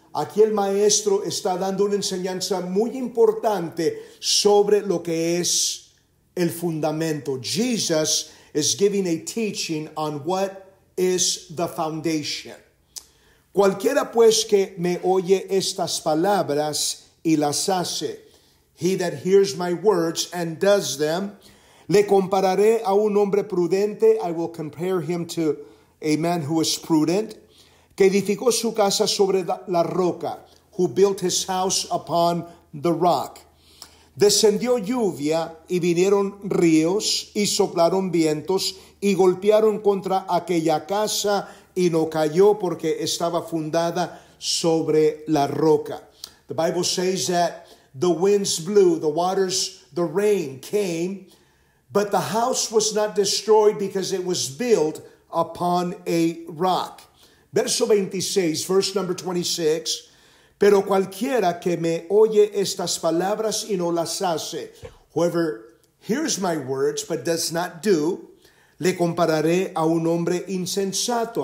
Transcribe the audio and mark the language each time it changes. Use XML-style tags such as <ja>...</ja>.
<es>Aquí el maestro está dando una enseñanza muy importante sobre lo que es el fundamento.</es> <en>Jesus is giving a teaching on what is the foundation.</en> <es>Cualquiera pues que me oye estas palabras y las hace,</es> <en>he that hears my words and does them,</en> <es>le compararé a un hombre prudente.</es> <en>I will compare him to a man who is prudent.</en> <es>Que edificó su casa sobre la roca,</es> <en>who built his house upon the rock.</en> <es>Descendió lluvia y vinieron ríos y soplaron vientos y golpearon contra aquella casa y no cayó porque estaba fundada sobre la roca.</es> <en>The Bible says that the winds blew, the waters, the rain came, but the house was not destroyed because it was built upon a rock.</en> <es>Verso 26,</es> <en>verse number 26,</en> <es>pero cualquiera que me oye estas palabras y no las hace,</es> <en>whoever hears my words but does not do,</en> <es>le compararé a un hombre insensato.</es>